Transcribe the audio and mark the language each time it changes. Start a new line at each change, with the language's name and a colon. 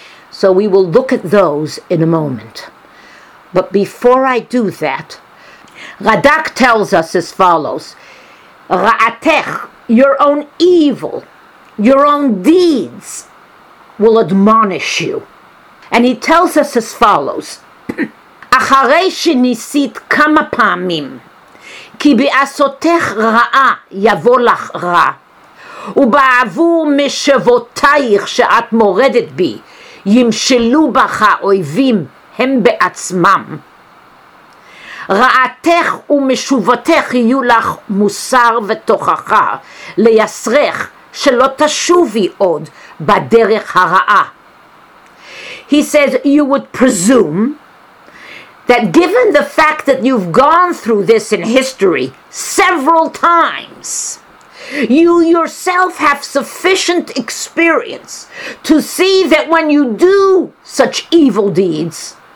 English: So we will look at those in a moment. But before I do that, Radak tells us as follows, Ra'atech, your own evil, your own deeds will admonish you. And he tells us as follows.
Hebrew: אחרי שניסית כמה פעמים, כי בעשותך רעה יבוא לך רע, ובעבור משבותייך שאת מורדת בי, ימשלו בך האויבים הם בעצמם. רעתך ומשובתך יהיו לך מוסר ותוכחה, ליסרך שלא תשובי עוד בדרך הרעה.
English: He says, you would presume that given the fact that you've gone through this in history several times, you yourself have sufficient experience to see that when you do such evil deeds,